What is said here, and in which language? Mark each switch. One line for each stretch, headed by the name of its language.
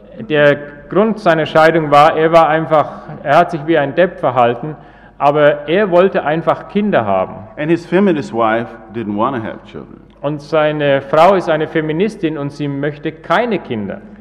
German: Der Grund seiner Scheidung war hat sich wie ein Depp verhalten, aber wollte einfach Kinder haben.
English: And his feminist wife didn't want to have children.
German: Und seine Frau ist eine Feministin und sie möchte keine Kinder.